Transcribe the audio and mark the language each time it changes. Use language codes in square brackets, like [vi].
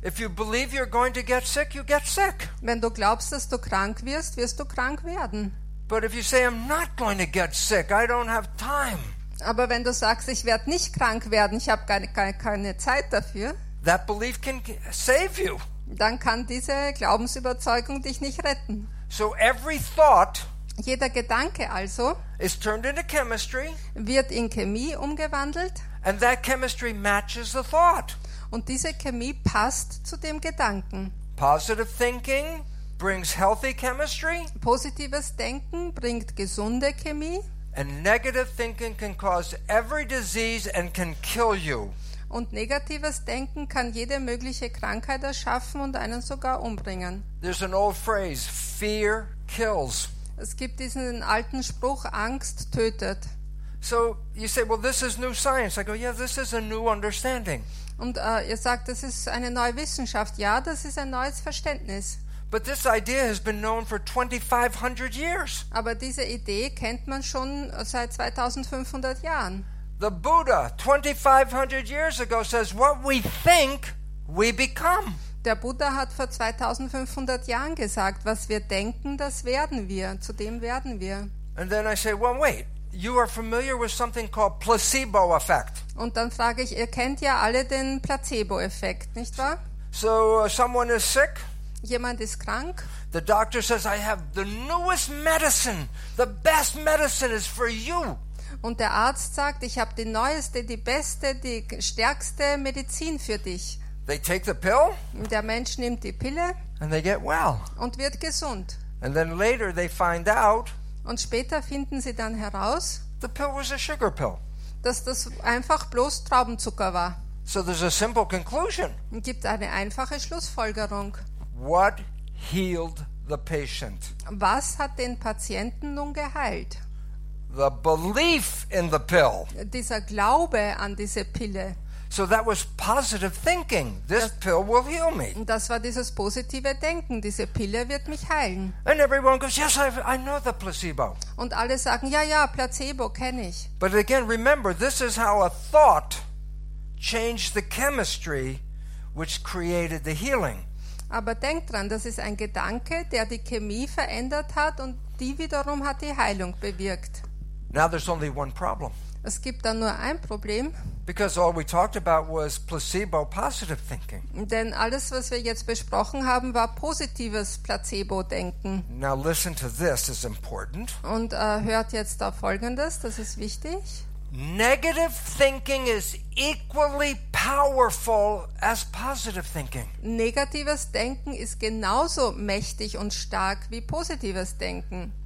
[en] If you believe you're going to get sick, you get sick. [de] Wenn du glaubst, dass du krank wirst, wirst du krank werden. [en] But if you say I'm not going to get sick, I don't have time. [de] Aber wenn du sagst, ich werde nicht krank werden, ich habe keine Zeit dafür, [en] that belief can save you. [de] Dann kann diese Glaubensüberzeugung dich nicht retten. [en] So every thought, [de] jeder Gedanke also, [en] is turned into chemistry, [de] wird in Chemie umgewandelt, [en] and that chemistry matches the thought. [de] Und diese Chemie passt zu dem Gedanken. [en] Positive thinking brings healthy chemistry. [de] Positives Denken bringt gesunde Chemie. [en] And negative thinking can cause every disease and can kill you. [de] Und negatives Denken kann jede mögliche Krankheit erschaffen und einen sogar umbringen. [en] There's an old phrase, fear kills. [de] Es gibt diesen alten Spruch, Angst tötet. [en] So you say, well, this is new science. I go, yeah, this is a new understanding. [de] Und ihr sagt, das ist eine neue Wissenschaft. Ja, das ist ein neues Verständnis. [en] But this idea has been known for 2500 years. [de] Aber diese Idee kennt man schon seit 2500 Jahren. [en] The Buddha 2500 years ago says what we think we become. [de] Der Buddha hat vor 2500 Jahren gesagt, was wir denken, das werden wir, zu dem werden wir. [en] And then I say, well, wait, you are familiar with something called placebo effect. [de] Und dann frage ich, ihr kennt ja alle den Placebo-Effekt, nicht wahr? [en] So someone is sick. [de] Jemand ist krank. [en] The doctor says I have the newest medicine. The best medicine is for you. [de] Und der Arzt sagt, ich habe die neueste, die beste, die stärkste Medizin für dich. [en] They take the pill. [de] Der Mensch nimmt die Pille. [en] And they get well. [de] Und wird gesund. [en] And then later they find out. [de] Und später finden sie dann heraus. [en] The pill was a sugar pill. [de] Dass das einfach bloß Traubenzucker war. [en] So there's a simple conclusion. [de] Und gibt eine einfache Schlussfolgerung. [en] What healed the patient? [de] Was hat den Patienten nun geheilt? [en] The belief in the pill. [de] Dieser Glaube an diese Pille. [en] So that was positive thinking. This pill will heal me. [de] Das war dieses positive Denken. Diese Pille wird mich heilen. [en] And everyone goes, yes, I know the placebo. [de] Und alle sagen, ja, Placebo kenne ich. [en] But again, remember, this is how a thought changed the chemistry which created the healing. [de] Aber denk dran, das ist ein Gedanke, der die Chemie verändert hat und die wiederum hat die Heilung bewirkt. [en] Now there's only one problem. [de] Es gibt dann nur ein Problem. [en] Because all we talked about was placebo positive thinking. [de] Denn alles, was wir jetzt besprochen haben, war positives Placebo-Denken. [en] Now listen to this, it's important. [de] Und hört jetzt auf Folgendes, das ist wichtig. [en] Negative thinking is equally powerful as positive thinking. [de] Negatives Denken ist genauso mächtig und stark wie positives Denken.